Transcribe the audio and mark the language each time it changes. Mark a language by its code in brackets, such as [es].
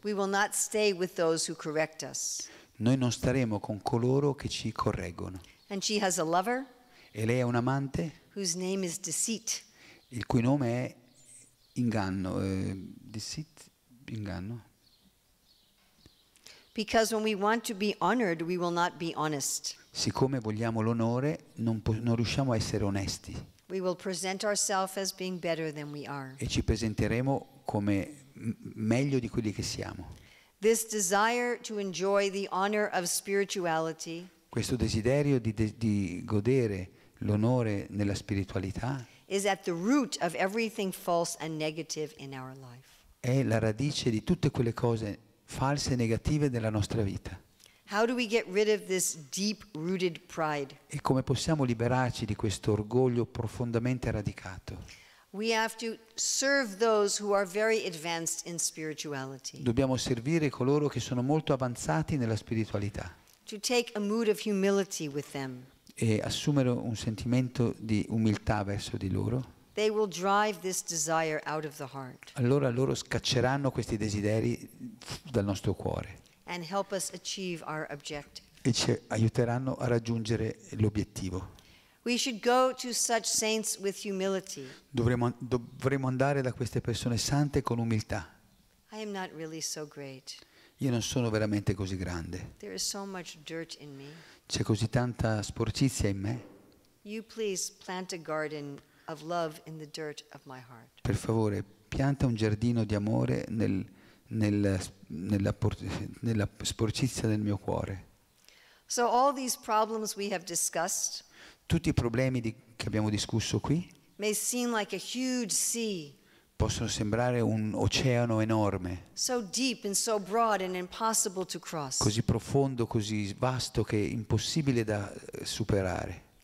[en] we will not stay with those who correct us. [it] Noi non staremo con coloro che ci correggono. [en] And she has a lover. [it] E lei è un amante? [en] Whose name is deceit. [it] Il cui nome è inganno. Deceit, inganno. [en] Because when we want to be honored, we will not be honest. [it] Siccome vogliamo l'onore, non riusciamo a essere onesti. [en] We will present ourselves as being better than we are. [it] E ci presenteremo come meglio di quelli che siamo. [en] This desire to enjoy the honor of spirituality. [it] Questo desiderio di godere l'onore nella spiritualità. [en] Is at the root of everything false and negative in our life. [it] È la radice di tutte quelle cose false e negative della nostra vita. [en] How do we get rid of this deep-rooted pride? [it] E come possiamo liberarci di questo orgoglio profondamente radicato? [en] We have to serve those who are very advanced in spirituality. [it] Dobbiamo servire coloro che sono molto avanzati nella spiritualità. [en] To take a mood of humility with them. [it] E assumere un sentimento di umiltà verso di loro. [en] They will drive this desire out of the heart. [it] Allora loro scacceranno questi desideri dal nostro cuore. [en] And help us achieve our objective. [it] E ci aiuteranno a raggiungere l'obiettivo. [en] We should go to such saints with humility. [it] Dovremmo andare da queste persone sante con umiltà. [en] I am not really so great. [it] Io non sono veramente così grande. [en] There is so much dirt in me. [it] C'è così tanta sporcizia in me. [en] You please plant a garden of love in the dirt of my heart. [it] Per favore, pianta un giardino di amore nella sporcizia del mio cuore. [en] So all these problems we have discussed. [it] Tutti i problemi che abbiamo discusso qui [en] may seem like a huge sea. [it] Possono sembrare un oceano enorme. [en] So deep and so broad and impossible to cross. [it] Così profondo, così vasto che è impossibile da superare.